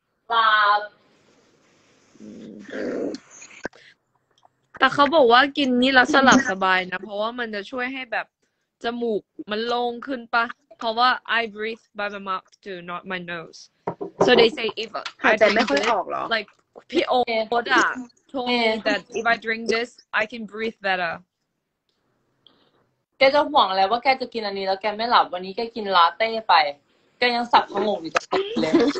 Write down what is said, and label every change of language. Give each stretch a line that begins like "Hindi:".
Thai: หลับ แต่เขาบอกว่ากินนี่แล้วสลับสบายนะเพราะว่ามันจะช่วยให้แบบจมูกมันโล่งขึ้นปะเพราะว่า
English: I breathe by my mouth too not my noseSo they say if I drink this, like people told me that if I drink this, I can breathe better.
Thai: แกจะห่วงอะไรว่าแกจะกินอันนี้แล้วแกไม่หลับวันนี้แกกินลาเต้ไปแกยังสับขมุกอยู่เลย